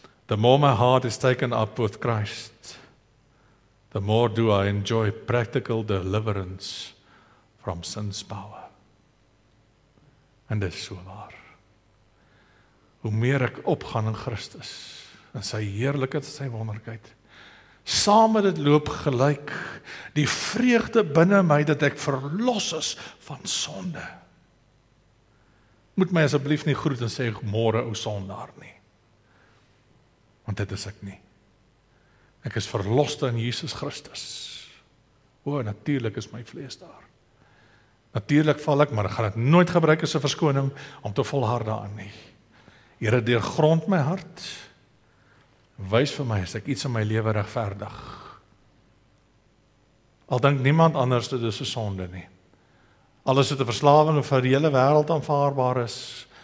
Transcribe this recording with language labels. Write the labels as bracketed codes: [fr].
[en] The more my heart is taken up with Christ, the more do I enjoy practical deliverance from sin's power. [af] En dis so waar. Hoe meer ek opgaan in Christus, in sy heerlikheid en sy wonderlikheid, saam met dit loop gelyk die vreugde binne my dat ek verlos is van sonde. Moet my asseblief nie groet en sê môre ou sondaar nie. Want dit is ek nie. Ek is verloste in Jesus Christus. O, natuurlik is my vlees daar. Natuurlik val ek, maar ek gaan dit nooit gebruik as 'n verskoning om te volhard daarin nie. Here, deurgrond my hart. Wys vir my as ek iets in my lewe regverdig. Al dink niemand anders dit is 'n sonde nie. Al is dit 'n verslawing wat vir die hele wêreld aanvaarbaar is.